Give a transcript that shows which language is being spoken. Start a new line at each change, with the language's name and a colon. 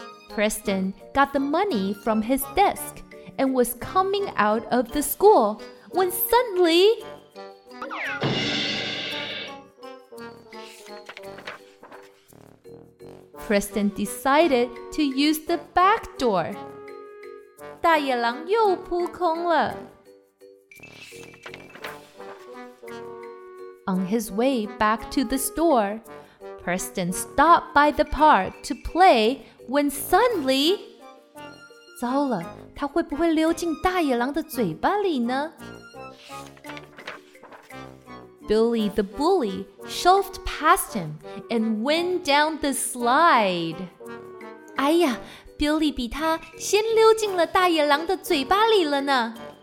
English: Preston got the money from his desk and was coming out of the school when suddenly Preston decided to use the back door.
Chinese: 大野狼又扑空了。
English: On his way back to the store, Preston stopped by the park to play when suddenly
Chinese: 糟了，他会不会溜进大野狼的嘴巴里呢？
English: Billy the bully shoved past him and went down the slide.
Chinese: 哎呀， Billy 比他先溜进了大野狼的嘴巴里了呢。